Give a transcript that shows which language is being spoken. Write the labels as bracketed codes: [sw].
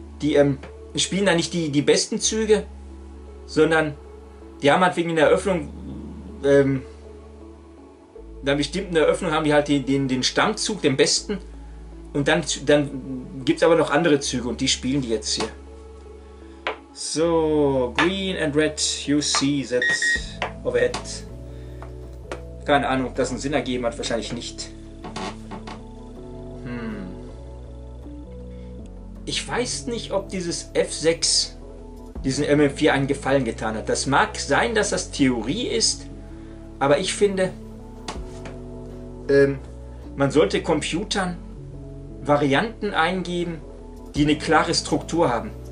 [de] Die spielen da nicht die besten Züge, sondern die haben halt wegen der Eröffnung, einer bestimmten Eröffnung haben die halt den Stammzug, den besten. Und dann gibt es aber noch andere Züge und die spielen die jetzt hier. [en] So, green and red, you see that overhead. [de] Keine Ahnung, ob das einen Sinn ergeben hat, wahrscheinlich nicht. Ich weiß nicht, ob dieses F6 diesen MM4 einen Gefallen getan hat. Das mag sein, dass das Theorie ist, aber ich finde, man sollte Computern Varianten eingeben, die eine klare Struktur haben.